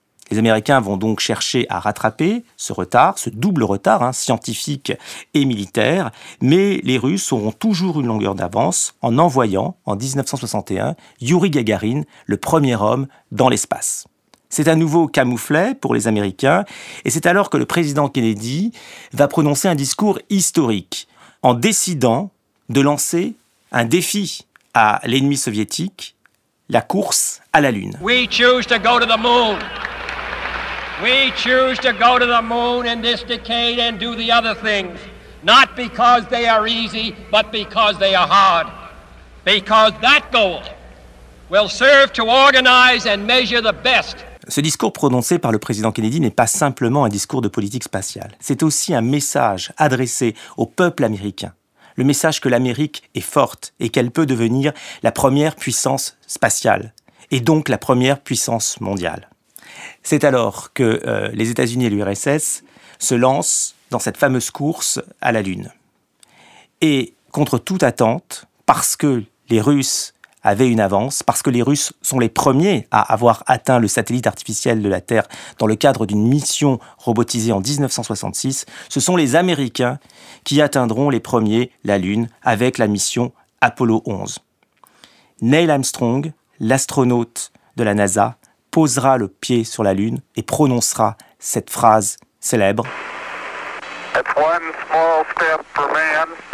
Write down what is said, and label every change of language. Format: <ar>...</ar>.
<fr>Les Américains vont donc chercher à rattraper ce retard, ce double retard scientifique et militaire, mais les Russes auront toujours une longueur d'avance en envoyant, en 1961, Yuri Gagarin, le premier homme, dans l'espace. C'est un nouveau camouflet pour les Américains, et c'est alors que le président Kennedy va prononcer un discours historique, en décidant de lancer un défi à l'ennemi soviétique, la course à la Lune.</fr> <en>We choose to go to the moon. We choose to go to the moon in this decade and do the other things. Not because they are easy, but because they are hard. Because that goal will serve to organize and measure the best.</en> <fr>Ce discours prononcé par le président Kennedy n'est pas simplement un discours de politique spatiale. C'est aussi un message adressé au peuple américain. Le message que l'Amérique est forte et qu'elle peut devenir la première puissance spatiale et donc la première puissance mondiale. C'est alors que les États-Unis et l'URSS se lancent dans cette fameuse course à la Lune. Et contre toute attente, parce que les Russes avaient une avance, parce que les Russes sont les premiers à avoir atteint le satellite artificiel de la Terre dans le cadre d'une mission robotisée en 1966, ce sont les Américains qui atteindront les premiers la Lune avec la mission Apollo 11. Neil Armstrong, l'astronaute de la NASA, posera le pied sur la Lune et prononcera cette phrase célèbre.</fr> <en>It's one small step for man,</en>